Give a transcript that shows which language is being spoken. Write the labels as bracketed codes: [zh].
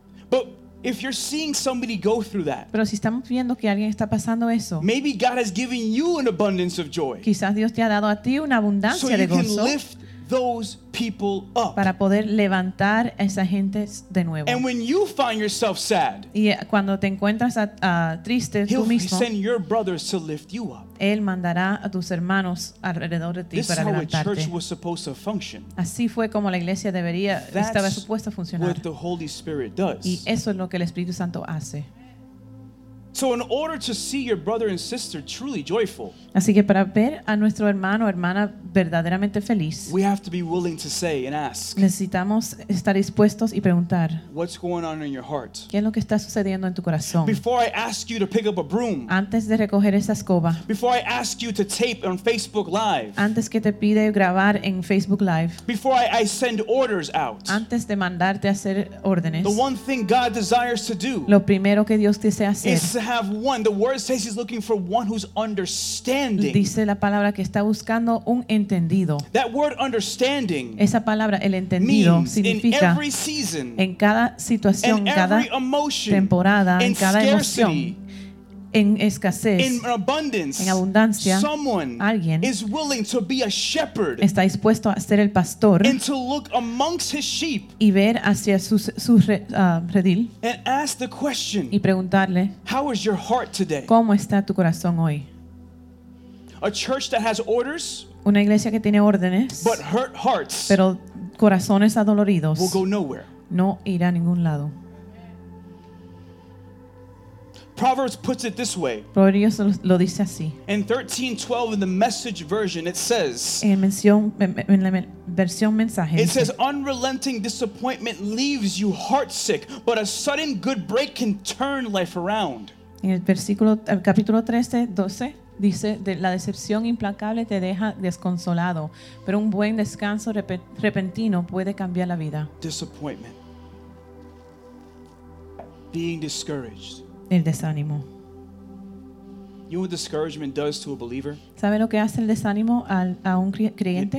[en] but if you're seeing somebody go through that, [es] pero si estamos viendo que alguien está pasando eso, [en] maybe God has given you an abundance of joy. [es] Quizás Dios te ha dado a ti una abundancia de gozo. [en] So you can lift those people up. [es] Para poder levantar a esa gente de nuevo. [en] And when you find yourself sad, [es] y cuando te encuentras triste tú mismo, [en] He'll send your brothers to lift you up. [es] Él mandará a tus hermanos alrededor de ti [en] this [es] para levantarte. [en] This is how a church was supposed to function. [es] Así fue como la iglesia debería [en] That's [es] estaba supuesta a funcionar. [en] What the Holy Spirit does. [es] Y eso es lo que el Espíritu Santo hace. [en] So in order to see your brother and sister truly joyful, [es] así que para ver a nuestro hermano o hermana verdaderamente feliz, [en] we have to be willing to say and ask, [es] necesitamos estar dispuestos y preguntar, [en] what's going on in your heart? [es] ¿Qué es lo que está sucediendo en tu corazón? [en] Before I ask you to pick up a broom, [es] antes de recoger esa escoba, [en] before I ask you to tape on Facebook Live, [es] antes que te pide grabar en Facebook Live, [en] before I send orders out, [es] antes de mandarte a hacer órdenes, [en] the one thing God desires to do, [es] lo primero que Dios desea hacer, [en] is to have one. The word says he's looking for one who's understanding. [es] Dice la palabra que está buscando un entendido. [en] That word understanding, [es] esa palabra, el entendido, [en] means [es] significa [en] in every season, [es] en cada situación, [en] in [es] cada [en] every emotion, [es] temporada, [en] in [es] en cada [en] scarcity, [es] emoción, en escasez, [en] in abundance, [es] en abundancia, [en] someone, [es] alguien, [en] is willing to be a shepherd, [es] está dispuesto a ser el pastor, [en] and to look amongst his sheep, [es] y ver hacia su redil, [en] and ask the question, [es] y preguntarle, [en] how is your heart today? [es] ¿Cómo está tu corazón hoy? [en] A church that has orders, [es] una iglesia que tiene órdenes, [en] but hurt hearts, [es] pero corazones adoloridos, [en] will go nowhere. [es] No irá a ningún lado. [en] Proverbs puts it this way. [es] Proverbios lo dice así. [en] In 13:12 in the Message version it says, [es] en la versión Mensaje, [en] it says, unrelenting disappointment leaves you heartsick, but a sudden good break can turn life around. [es] En el capítulo 13:12 dice, la decepción implacable te deja desconsolado, pero un buen descanso repentino puede cambiar la vida. [en] Disappointment. Being discouraged. [es] El desánimo. [en] You know what discouragement does to a believer? [es] ¿Sabe lo que hace el desánimo a un creyente?